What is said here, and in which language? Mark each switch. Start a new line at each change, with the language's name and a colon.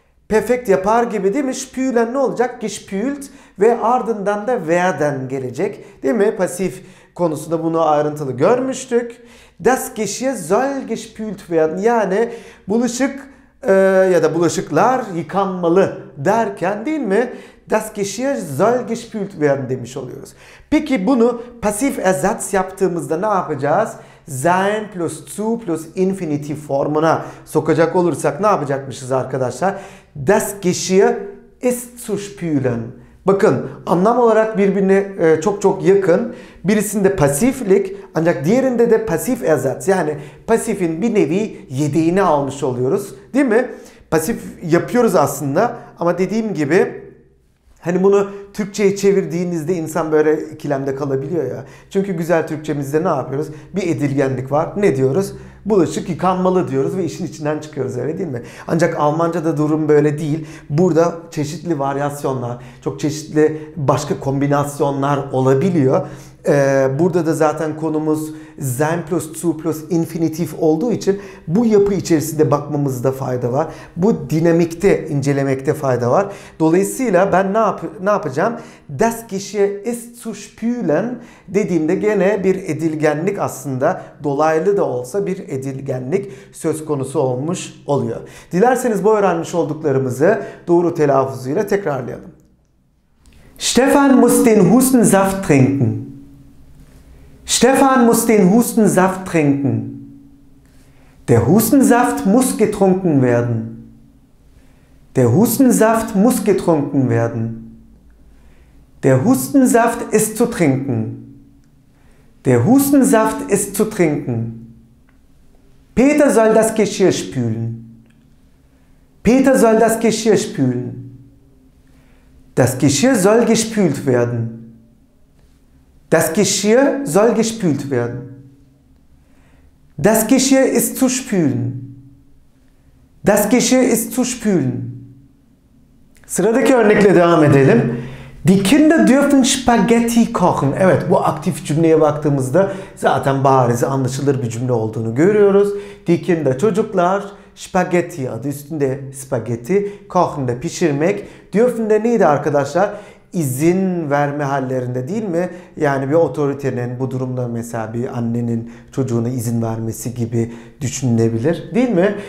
Turkish: Perfekt yapar gibi, değil mi? Spülen ne olacak? Gespült ve ardından da werden gelecek, değil mi? Pasif konusunda bunu ayrıntılı görmüştük.
German: Das Geschirr soll gespült werden,
Turkish: yani bulaşık ya da bulaşıklar yıkanmalı derken, değil mi?
German: Das Geschirr soll gespült werden
Turkish: demiş oluyoruz. Peki bunu pasif ersatz yaptığımızda ne yapacağız? Sein plus zu plus infinitiv formuna sokacak olursak ne yapacakmışız arkadaşlar?
German: Das Geschirr ist zu spülen.
Turkish: Bakın anlam olarak birbirine çok çok yakın. Birisinde pasiflik, ancak diğerinde de pasif ersatz. Yani pasifin bir nevi yedeğini almış oluyoruz, değil mi? Pasif yapıyoruz aslında ama dediğim gibi Hani bunu Türkçe'ye çevirdiğinizde insan böyle ikilemde kalabiliyor ya. Çünkü güzel Türkçemizde ne yapıyoruz? Bir edilgenlik var. Ne diyoruz? Bulaşık yıkanmalı diyoruz ve işin içinden çıkıyoruz, öyle değil mi? Ancak Almanca'da durum böyle değil. Burada çeşitli varyasyonlar, çok çeşitli başka kombinasyonlar olabiliyor. Burada da zaten konumuz sein plus zu plus infinitif olduğu için bu yapı içerisinde bakmamızda fayda var. Bu dinamikte incelemekte fayda var. Dolayısıyla ben ne yapacağım?
German: Das Geschehen ist zu spüren
Turkish: dediğimde gene bir edilgenlik, aslında dolaylı da olsa bir edilgenlik söz konusu olmuş oluyor. Dilerseniz bu öğrenmiş olduklarımızı doğru telaffuzuyla tekrarlayalım.
German: Stefan muss den Hustensaft trinken. Stefan muss den Hustensaft trinken. Der Hustensaft muss getrunken werden. Der Hustensaft muss getrunken werden. Der Hustensaft ist zu trinken. Der Hustensaft ist zu trinken. Peter soll das Geschirr spülen. Peter soll das Geschirr spülen. Das Geschirr soll gespült werden. Das Geschirr soll gespült werden. Das Geschirr ist zu spülen. Das Geschirr ist zu spülen.
Turkish: Sıradaki örnekle devam edelim.
German: Die Kinder dürfen Spaghetti kochen.
Turkish: Evet, bu aktif cümleye baktığımızda zaten bariz anlaşılır bir cümle olduğunu görüyoruz.
German: Die Kinder,
Turkish: çocuklar, Spaghetti adı üstünde Spaghetti, kochen de pişirmek. Dürfen de neydi arkadaşlar? İzin verme hallerinde, değil mi? Yani bir otoritenin bu durumda, mesela bir annenin çocuğuna izin vermesi gibi düşünülebilir, değil mi?